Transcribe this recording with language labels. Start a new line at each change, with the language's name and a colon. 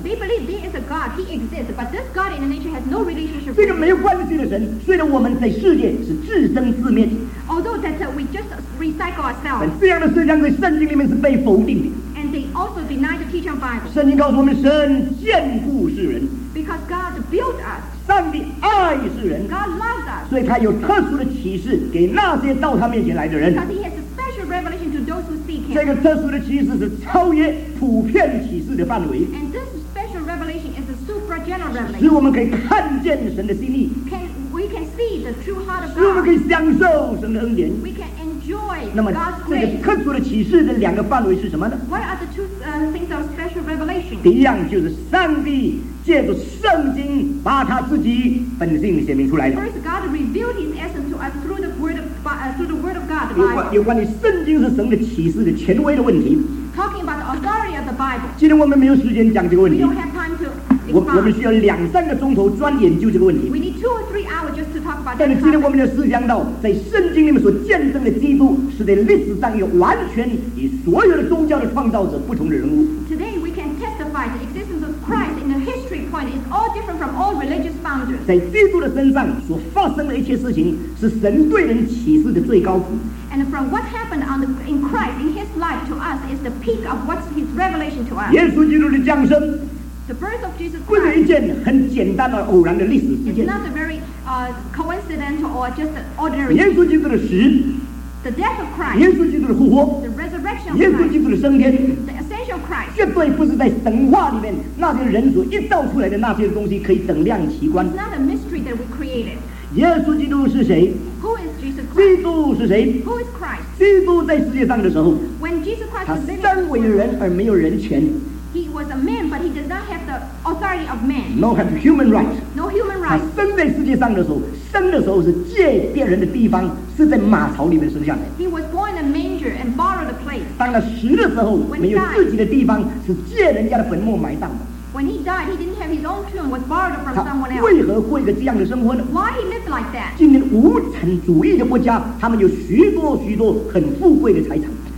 English: They believe there is a God, He exists, but this God in the nature has no relationship.
Chinese: 这个没有关系的神，虽然我们在世界是自生自灭。
English: Although that we just recycle ourselves.
Chinese: 但这样的思想在圣经里面是被否定的。
English: And they also deny the teaching of Bible.
Chinese: 圣经告诉我们，神眷顾世人。
English: Because God built us.
Chinese: 上帝爱世人，
English: God loves us.
Chinese: 所以他有特殊的启示给那些到他面前来的人。
English: Because he has a special revelation to those who seek him.
Chinese: 这个特殊的启示是超越普遍启示的范围。
English: And this special revelation is a supra-general revelation.
Chinese: 使我们可以看见神的心意。
English: We can see the true heart of God.
Chinese: 使我们可以享受神的恩典。
English: We can enjoy God's grace.
Chinese: 那么这个特殊的启示的两个范围是什么呢？
English: What are the two things of special revelation?
Chinese: 第一样就是上帝借着圣经把他自己本性显明出来了。
English: First, God revealed His essence to us through the word of through the word of God.
Chinese: 有关于圣经是神的启示的权威的问题。
English: Talking about the authority of the Bible.
Chinese: 今天我们没有时间讲这个问题。
English: We don't have time to explore.
Chinese: 我们需要两三个钟头专研究这个问题。
English: We need 2 or 3 hours just to talk about this.
Chinese: 但是今天我们要思想到，在圣经里面所见证的基督是在历史上有完全与所有的宗教的创造者不同的人物。
English: Today we can testify the existence of Christ in the history point is all different from all religious founders.
Chinese: 在基督的身上所发生的一切事情是神对人启示的最高峰。
English: And from what happened in Christ in His life to us is the peak of what's His revelation to us.
Chinese: 耶稣基督的降生，
English: the birth of Jesus
Chinese: Christ 不是一件很简单的偶然的历史事件。
English: It's not a very coincidental or just an ordinary.
Chinese: 耶稣基督的死，
English: the death of Christ.
Chinese: 耶稣基督的复活，
English: the resurrection of
Chinese: Christ. 耶稣基督的升天，
English: the ascension of Christ. Christ.
Chinese: 绝对不是在神话里面那些人所一造出来的那些东西可以等量齐观。
English: It's not a mystery that we created.
Chinese: 耶稣基督是谁？
English: Who is Jesus Christ?
Chinese: 基督是谁？
English: Who is Christ?
Chinese: 基督在世界上的时候，
English: When Jesus Christ was living,
Chinese: 他身为人而没有人权。
English: He was a man, but he did not have the authority of man. No, have human rights. No human rights.
Chinese: 他生在世界上的时候，生的时候是借别人的地方，是在马槽里面生下来。
English: He was born in a manger and borrowed a place.
Chinese: 当他死的时候，没有自己的地方，是借人家的坟墓埋葬的。
English: When he died, he didn't have his own tomb, was borrowed from someone else.
Chinese: 为何过一个这样的生活呢？
English: Why he lived like that?
Chinese: 今天无产主义的国家，他们有许多许多很富贵的财产。